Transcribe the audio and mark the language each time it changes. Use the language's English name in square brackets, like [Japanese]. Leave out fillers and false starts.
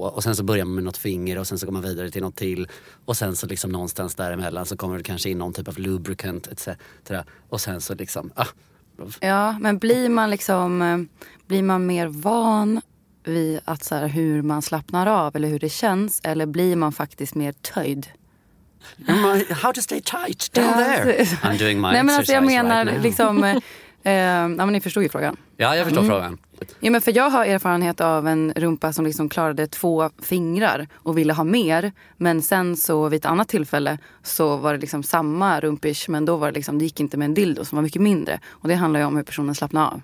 [Swedish] Och sen så börjar man med något finger och sen så går man vidare till något till och sen så liksom någonstans däremellan så kommer det kanske in någon typ av lubricant etc. Och sen så liksom, ah. Ja, men blir man mer van vid att så här, hur man slappnar av eller hur det känns, eller blir man faktiskt mer töjd? [English] How to stay tight down there? I'm doing my exercise right now. [Swedish] Jag menar liksom, men ni förstod ju frågan. Ja, jag förstår frågan. Ja, men för jag har erfarenhet av en rumpa som liksom klarade två fingrar och ville ha mer, men sen så vid ett annat tillfälle så var det liksom samma rumpish, men då var det liksom, det gick inte med en dildo som var mycket mindre, och det handlar ju om hur personen slappnar av.